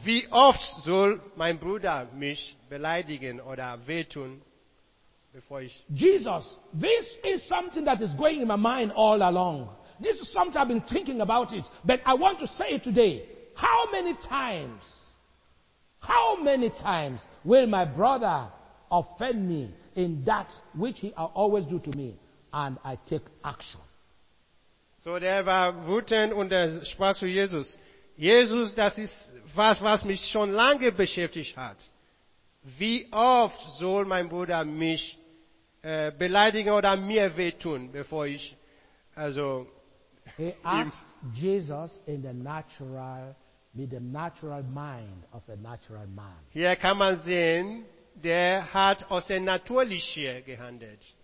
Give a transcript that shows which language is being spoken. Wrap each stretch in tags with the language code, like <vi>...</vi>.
<de>Wie oft soll mein Bruder mich beleidigen oder wehtun, bevor ich...</de> <en>Jesus, this is something that is going in my mind all along. This is something I've been thinking about it. But I want to say it today. How many times will my brother offend me in that which he always do to me? And I take action.</en> <de>So der war wütend und er sprach zu Jesus. Jesus, das ist was mich schon lange beschäftigt hat. Wie oft soll mein Bruder mich beleidigen oder mir wehtun, bevor ich, also...</de> <en>He asked Jesus in the natural, with the natural mind of a natural man.</en> <de>Hier kann man sehen, der hat aus dem Natürlichen gehandelt.</de>